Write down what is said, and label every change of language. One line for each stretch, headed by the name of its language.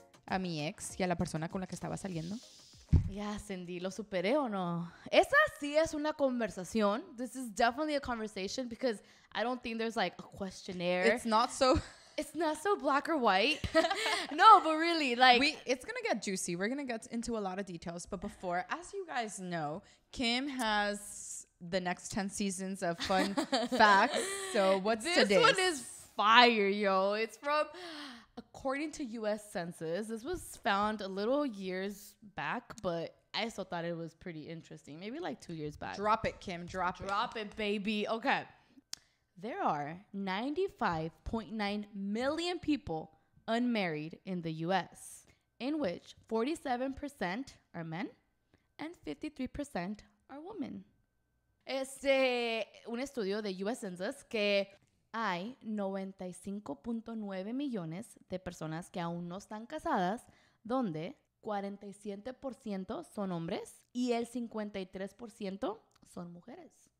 Spanish: A mi ex y a la persona con la que estaba saliendo. Ya, yeah, Cindy, ¿lo superé o no? Esa sí es una conversación.
English: This is definitely a conversation because I don't think there's like a questionnaire. It's not so black or white. No, but really, like... It's going to get juicy. We're going to get into a lot of details. But before, as you guys know, Kim has... the next 10 seasons of fun facts. So what's this today's? One is fire, yo. It's from, according to U.S. Census, this was found a little years back, but I still thought it was pretty interesting. Maybe like 2 years back. Drop it, Kim. Drop it, baby. Okay. There are 95.9 million people unmarried in the U.S., in which 47% are men and 53% are women.
Spanish: Este, un estudio de U.S. Census que hay 95.9 millones de personas que aún no están casadas, donde 47% son hombres y el 53% son mujeres.